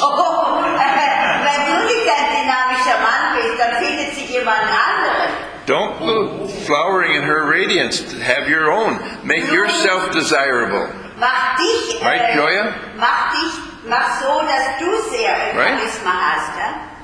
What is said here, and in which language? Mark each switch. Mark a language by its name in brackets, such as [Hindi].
[German] Oh, wenn du nicht ein dynamischer Mann bist, dann findet sie jemand anderen. [English] Don't look flowering in her radiance. Have your own. Make yourself desirable. [German] Mach dich, [English] right, Joya? [German] Mach so, dass du sehr Charisma hast, ja?